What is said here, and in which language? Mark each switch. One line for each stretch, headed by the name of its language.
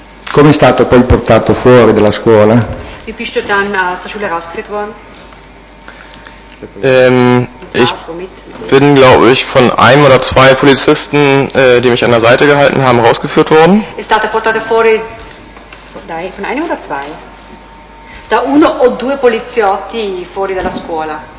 Italian: Come è stato poi portato fuori dalla scuola?
German: Wie bist du dann aus der Schule rausgeführt worden? Ich bin, glaube ich, von einem oder zwei Polizisten, die mich an der Seite gehalten haben, rausgeführt worden.
Italian: È stato portato fuori
German: von einem oder zwei?
Italian: Da uno o due poliziotti fuori dalla scuola?